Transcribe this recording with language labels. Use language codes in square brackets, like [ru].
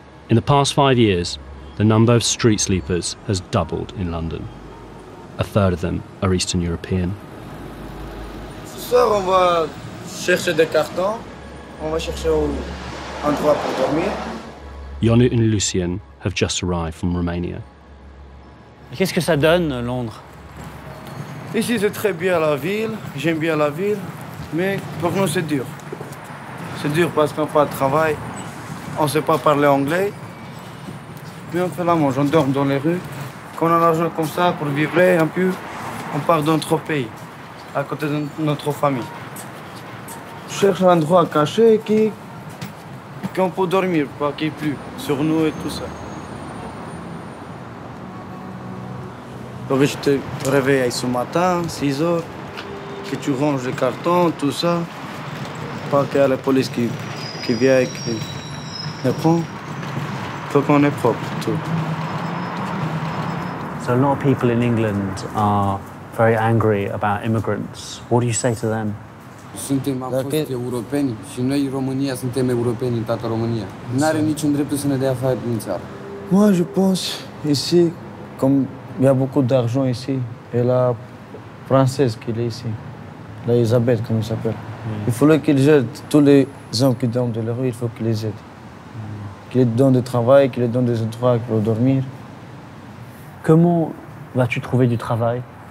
[en] In the past 5 years, the number of street sleepers has doubled in London. A third of them are Eastern European. [fr] Ce soir, on va chercher des cartons. On va chercher un endroit pour dormir. [en] Yonu and Lucien have just arrived from Romania. [fr] Qu'est-ce que ça donne, Londres? Ici, c'est très bien la ville, j'aime bien la ville, mais pour nous, c'est dur. C'est dur parce qu'on n'a pas de travail, on ne sait pas parler anglais, mais on fait la manche, on dort dans les rues. Quand on a l'argent comme ça pour vivre un peu, on part dans notre pays, à côté de notre famille. On cherche un endroit caché qu'on peut dormir, pas qu'il pleut sur nous et tout ça. Je te réveille ce matin, 6 heures, que tu ranges les cartons, tout ça. Pas qu'il y a la police qui vient et qui les prend. Il faut qu'on est propre, tout. [en] So a lot of people in England are very angry about immigrants. What do you say to them? [ro] Suntem fost europeni și noi, România, suntem europeni în toată România. N-are niciun drept să ne dea afară din țară. [fr] Moi, je pense ici, comme... Il y a beaucoup d'argent ici. Et la française qui est ici, la Elisabeth, comme elle s'appelle. Mm. Il faut qu'ils aident tous les gens qui dorment dans la rue, il faut qu'ils les aident. Mm. Qu'ils les donnent du travail, qu'ils les donnent des endroits pour dormir. Comment vas-tu trouver du travail?